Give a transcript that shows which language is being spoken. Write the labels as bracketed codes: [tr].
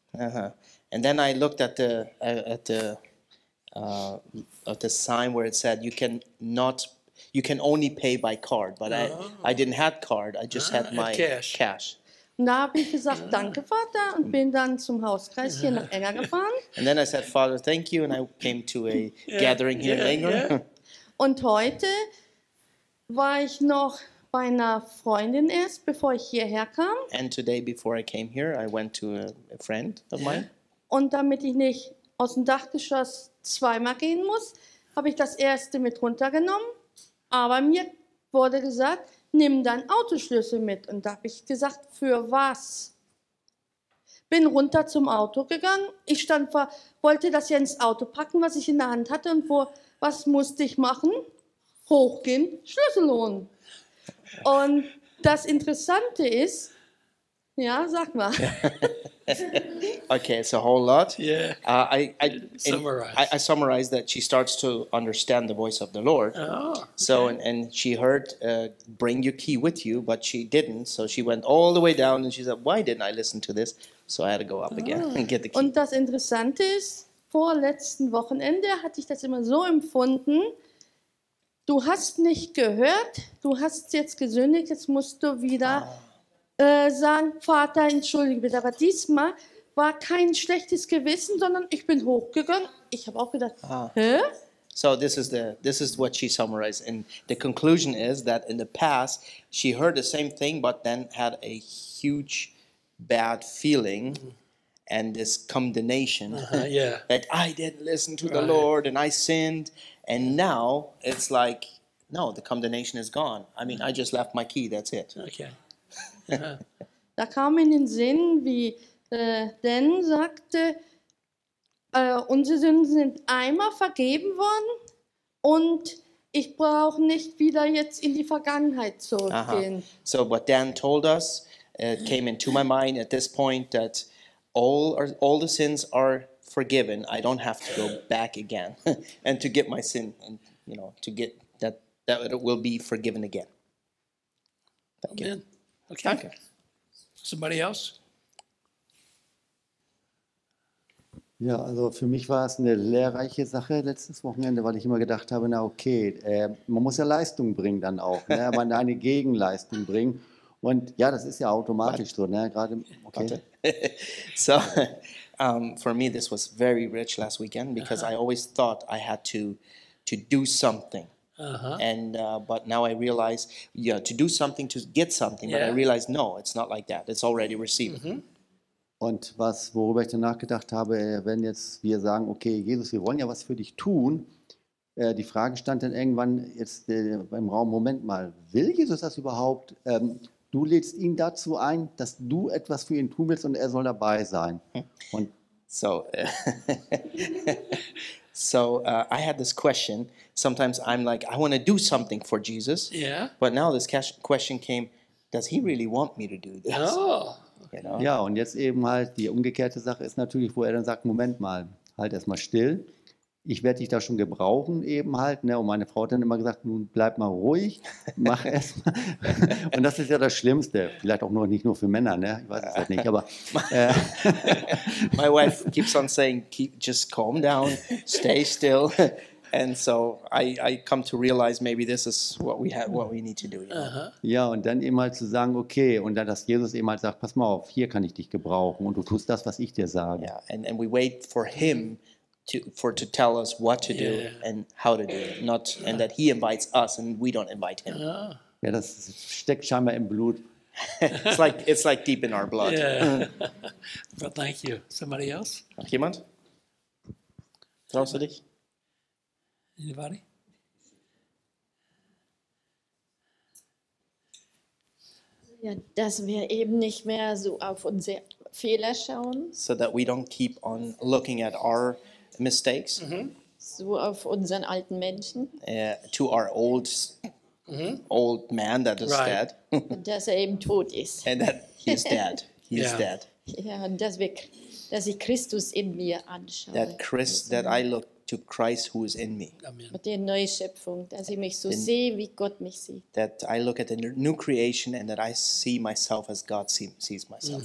[en] And then I looked at the sign where it said you can only pay by card, but I didn't have card, I just had my cash. [de] Und da habe ich gesagt, danke Vater und bin dann zum Hauskreis hier nach Enger gefahren. [en] And then I said, Father, thank you, and I came to a gathering here in Enger. [de] Und heute war ich noch bei einer Freundin erst, bevor ich hierher kam. [en] And today, before I came here, I went to a friend of mine. [de] Und damit ich nicht aus dem Dachgeschoss zweimal gehen muss, habe ich das erste mit runtergenommen. Aber mir wurde gesagt, nimm deinen Autoschlüssel mit. Und da habe ich gesagt, für was? Bin runter zum Auto gegangen. Ich stand vor, wollte das ja ins Auto packen, was ich in der Hand hatte. Und was musste ich machen? Hochgehen, Schlüssel holen. Und das Interessante ist, ja, sag mal. [en] Okay, it's a whole lot. Yeah. I summarize that she starts to understand the voice of the Lord. Oh, okay. So, and she heard, bring your key with you, but she didn't. So she went all the way down and she said, why didn't I listen to this? So I had to go up again and get the key. [de] Und das Interessante ist, vor letzten Wochenende hatte ich das immer so empfunden, du hast nicht gehört, du hast jetzt gesündigt, jetzt musst du wieder sagen, Vater, entschuldige bitte. Aber diesmal war kein schlechtes Gewissen, sondern ich bin hochgegangen. Ich habe auch gedacht, [en] So this is what she summarized. And the conclusion is that in the past, she heard the same thing, but then had a huge bad feeling and this condemnation. That I didn't listen to the Lord and I sinned. And now it's like, no, the condemnation is gone. I mean, I just left my key, that's it. Okay. [de] Da kam in den Sinn, wie Denn sagte, unsere Sünden sind einmal vergeben worden und ich brauche nicht wieder jetzt in die Vergangenheit zurückgehen. Uh-huh. [en] So what Dan told us came into my mind at this point that all the sins are forgiven. I don't have to go back again and to get my sin, and, you know, to get that it will be forgiven again. Thank Amen. You. Okay. Thank you. Somebody else? [de] Ja, also für mich war es eine lehrreiche Sache letztes Wochenende, weil ich immer gedacht habe, na okay, man muss ja Leistung bringen dann auch, ne? Man eine Gegenleistung bringen. Und ja, das ist ja automatisch so, ne? Gerade okay. [en] So, for me this was very rich last weekend because I always thought I had to do something. Uh-huh. And but now I realize, yeah, to do something to get something, yeah. But I realize no, it's not like that. It's already received. Mm-hmm. [de] Und worüber ich dann nachgedacht habe, wenn jetzt wir sagen, okay, Jesus, wir wollen ja was für dich tun, die Frage stand dann irgendwann jetzt im Raum, Moment mal, will Jesus das überhaupt? Du lädst ihn dazu ein, dass du etwas für ihn tun willst und er soll dabei sein. Und [en] so, I had this question. Sometimes I'm like, I want to do something for Jesus. Yeah. But now this question came, does he really want me to do this? Oh. You know? [de] Ja, und jetzt eben halt die umgekehrte Sache ist natürlich, wo er dann sagt, Moment mal, halt erstmal still. Ich werde dich da schon gebrauchen eben halt. Ne? Und meine Frau hat dann immer gesagt, nun bleib mal ruhig, mach erstmal. Und das ist ja das Schlimmste, vielleicht auch noch nicht nur für Männer, ne? Ich weiß es halt nicht. Aber, [en] My wife keeps on saying, just calm down, stay still. And so I come to realize maybe this is what we need to do. Uh-huh. [de] Ja, und dann eben halt zu sagen, okay, und dann, dass Jesus eben halt sagt, pass mal auf, hier kann ich dich gebrauchen und du tust das, was ich dir sage. [en] Yeah, and we wait for him to tell us what to do and how to do it, not and that he invites us and we don't invite him. [de] Ja, das steckt scheinbar im Blut. [en] it's like deep in our blood. Yeah. Well, thank you. Somebody else? [de] Noch jemand? Traust du dich? [en] Anybody? [de] Ja, dass wir eben nicht mehr so auf unsere Fehler schauen. [en] So that we don't keep on looking at our mistakes. Mm-hmm. [de] So auf unseren alten Menschen. [en] To our old, mm-hmm. old man that is right. dead. [de] Und dass er eben tot ist. [en] And that he is dead. He is dead. [de] Ja, und dass ich Christus in mir anschaue. [en] That I look to Christ who is in me. [de] Mit der neue Schöpfung, dass ich mich so sehe, wie Gott mich sieht. [en] That I look at the new creation and that I see myself as God sees myself.